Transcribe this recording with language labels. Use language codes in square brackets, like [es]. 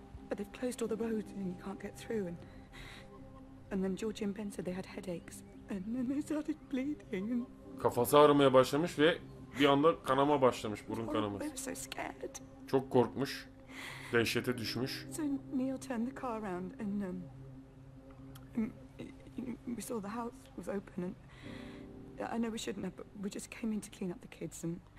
[en] But they've closed all the roads and you can't get through and then George and Ben said they had headaches and then they started bleeding. [tr] Kafası ağrımaya başlamış ve bir anda kanama başlamış, burun kanaması. Çok korkmuş. Dehşete düşmüş. [en] So Neil turned the car around and we saw the house was open and I know we shouldn't have, but we just came in to clean up the kids and